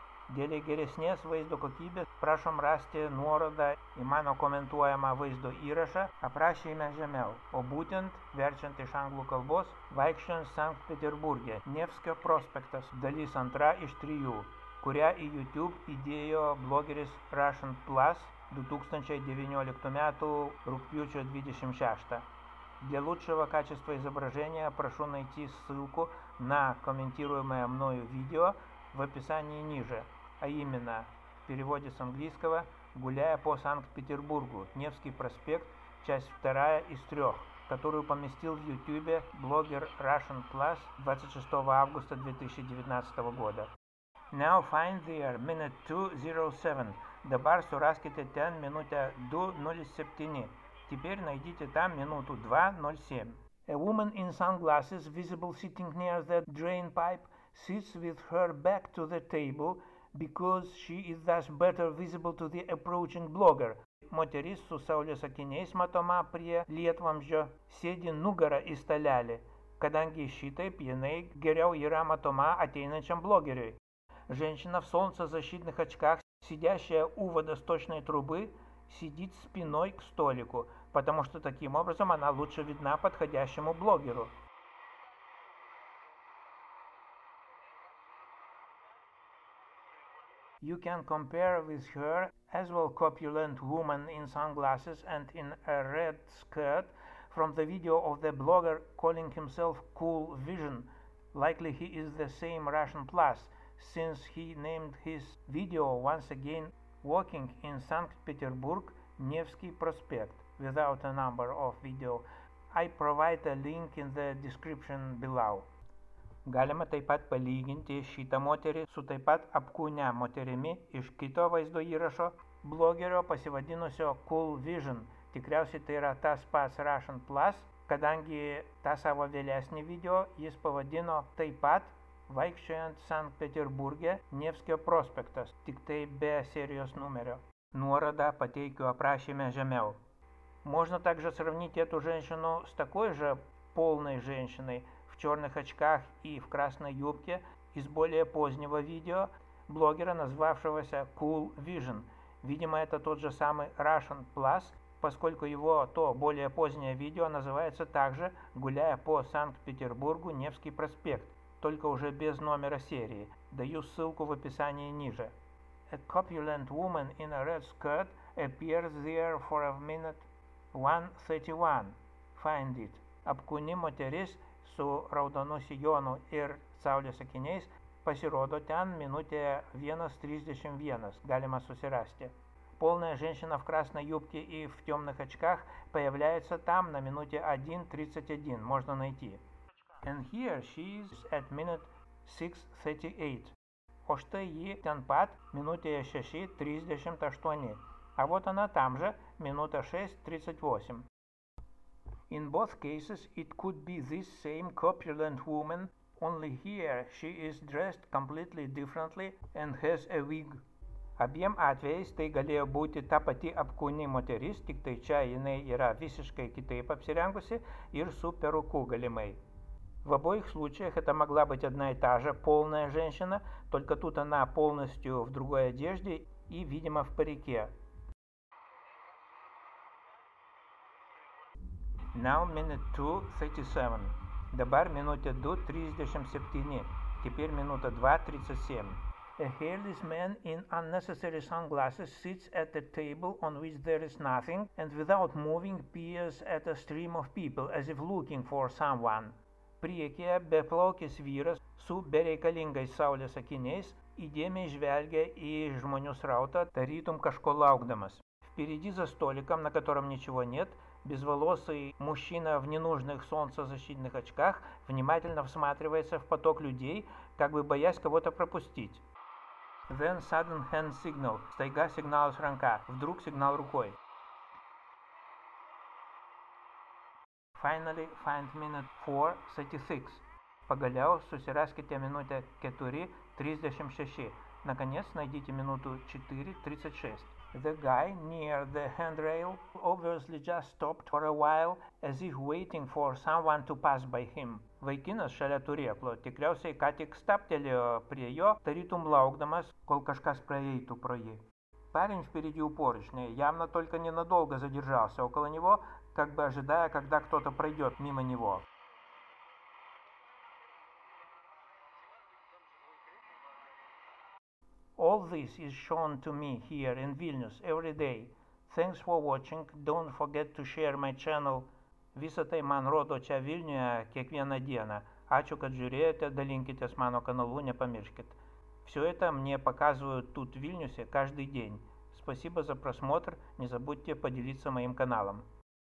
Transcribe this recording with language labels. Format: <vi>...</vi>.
<lt>Dėl geresnės vaizdo kokybės, prašom rasti nuorodą į mano komentuojamą vaizdo įrašą, aprašyme žemiau, o būtent, verčiant iš anglų kalbos, Vaikščiojant St. Peterburge, Nevskio prospektas, dalis 2 iš 3, kurią į YouTube įdėjo blogeris RussianPlus 2019 m. rugpjūčio 26.</lt> <ru>Для лучшего качества изображения прошу найти ссылку на комментируемое мною видео в описании ниже, а именно в переводе с английского «Гуляя по Санкт-Петербургу, Невский проспект, часть 2 из 3», которую поместил в YouTube блогер RussianPlus 26 августа 2019 года.</ru> <en>Now find there minute 207,</en> <lt>dabar suraskite ten minutę 207.</lt> <ru>Теперь найдите там минуту 2.07.</ru> <en>A woman in sunglasses, visible sitting near the drain pipe, sits with her back to the table because she is thus better visible to the approaching blogger.</en> <lt>Moteris su saulės akiniais matoma prie lietvamzdžio sėdi nugara į stalelį, kadangi šitaip jinai geriau yra matoma ateinančiam blogeriui.</lt> <ru>Женщина в солнцезащитных очках, сидящая у водосточной трубы, сидит спиной к столику, потому что таким образом она лучше видна подходящему блогеру.</ru> <en>You can compare with her as well corpulent woman in sunglasses and in a red skirt from the video of the blogger calling himself Cool Vision. Likely he is the same RussianPlus, since he named his video once again Walking in St. Petersburg, Nevsky Prospekt, without a number of video. I provide a link in the description below.</en> <lt>Galima taip pat palyginti šitą moterį su taip pat apkūnę moterimi iš kito vaizdo įrašo blogerio pasivadinusio Cool Vision. Tikriausiai tai yra tas pats RussianPlus, kadangi tą savo vėlesnį video jis pavadino taip pat Vaikščiojant St. Peterburge, Nevskio prospektas, tik tai be serijos numerio. Nuorodą pateikiu aprašyme žemiau.</lt> <ru>Можно также сравнить эту женщину с такой же полной женщиной в черных очках и в красной юбке из более позднего видео блогера, назвавшегося Cool Vision. Видимо, это тот же самый RussianPlus, поскольку его то более позднее видео называется также «Гуляя по Санкт-Петербургу, Невский проспект», только уже без номера серии. Даю ссылку в описании ниже.</ru> <en>A corpulent woman in a red skirt appears there for a minute 1.31. Find it.</en> <lt>Apkūni moteris su raudonu sijonu ir saulės akiniais pasirodo ten minutėje 1.31. Galima susirasti.</lt> <ru>Полная женщина в красной юбке и в темных очках появляется там на минуте 1.31. Можно найти.</ru> <en>And here she is at minute 6.38.</en> <lt>О штай ей тен пат минутия 6.38.</lt> <ru>А вот она там же, минута 6.38.</ru> <en>In both cases it could be this same corpulent woman, only here she is dressed completely differently and has a wig.</en> <lt>Abiem atvejais tai galėjo būti ta pati apkūni moteris, tik tai čia jinai yra visiškai kitaip apsirengusi ir su peruku galimai.</lt> <ru>В обоих случаях это могла быть одна и та же полная женщина, только тут она полностью в другой одежде и, видимо, в парике.</ru> <en>Now minute 2.37.</en> <lt>Dabar minutė 2.37.</lt> <ru>Теперь минута 2.37.</ru> <en>A hairless man in unnecessary sunglasses sits at a table on which there is nothing and without moving peers at a stream of people as if looking for someone.</en> <lt>Priekyje beplaukis vyras su bereikalingais saulės akiniais įdėmiai žvelgia į žmonių srautą, tarytum kažko laukdamas.</lt> <ru>Впереди за столиком, на котором ничего нет, безволосый мужчина в ненужных солнцезащитных очках внимательно всматривается в поток людей, как бы боясь кого-то пропустить.</ru> <en>Then sudden hand signal.</en> <lt>Стайга сигнал с ранка.</lt> <ru>Вдруг сигнал рукой.</ru> <en>Finally, find minute 4.36.</en> <lt>Pagaliau susiraskite minutę 4:36.</lt> <ru>Наконец найдите минуту 4:36.</ru> <en>The guy near the handrail obviously just stopped for a while as if waiting for someone to pass by him.</en> <lt>Vaikinas šalia turėklo tikriausiai ką tik stabtelėjo prie jo, tarytum laukdamas, kol kažkas praeitų pro jį.</lt> <ru>Парень впереди упорочный, явно только ненадолго задержался около него, как бы ожидая, когда кто-то пройдет мимо него.</ru> <en>All this is shown to me here in Vilnius every day. Thanks for watching. Don't forget to share my channel.</en> <lt>Visa tai man rodo čia Vilniuje kiekvieną dieną. Ačiū, kad žiūrėjote, dalinkitės mano kanalu, nepamirškit.</lt> <ru>Все это мне показывают тут, в Вильнюсе, каждый день. Спасибо за просмотр, не забудьте поделиться моим каналом.</ru>